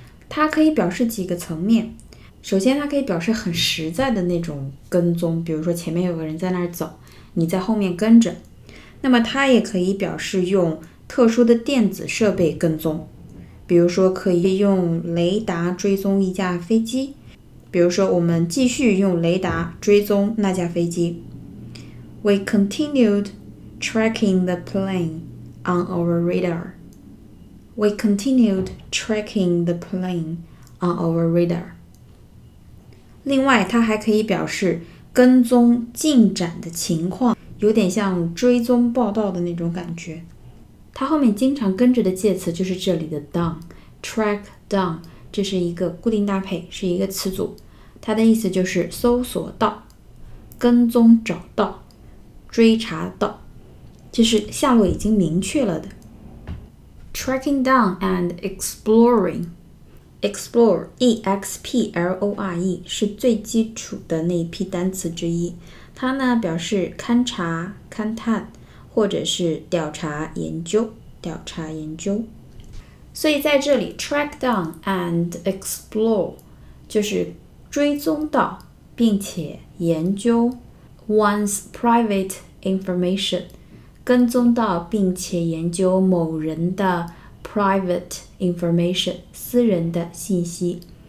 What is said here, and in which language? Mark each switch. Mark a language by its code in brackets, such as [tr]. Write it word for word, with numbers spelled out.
[zh] 它可以表示几个层面。首先它可以表示很实在的那种跟踪，比如说前面有个人在那儿走，你在后面跟着。那么它也可以表示用特殊的电子设备跟踪，比如说可以用雷达追踪一架飞机，比如说我们继续用雷达追踪那架飞机。 [en] We continued tracking the plane on our radar. We continued tracking the plane on our radar. [zh] 另外，它还可以表示跟踪进展的情况，有点像追踪报道的那种感觉。它后面经常跟着的介词就是这里的 down, track down， 这是一个固定搭配，是一个词组。它的意思就是搜索到、跟踪找到、追查到，这是下落已经明确了的。 Tracking down and exploring Explore E X P L O R E 是最基础的那一批单词之一。它呢表示勘察、勘探，或者是调查研究调查研究。所以在这里 track down and explore 就是追踪到并且研究 one's private information，跟踪到并且研究某人的 private information， 私人的信息。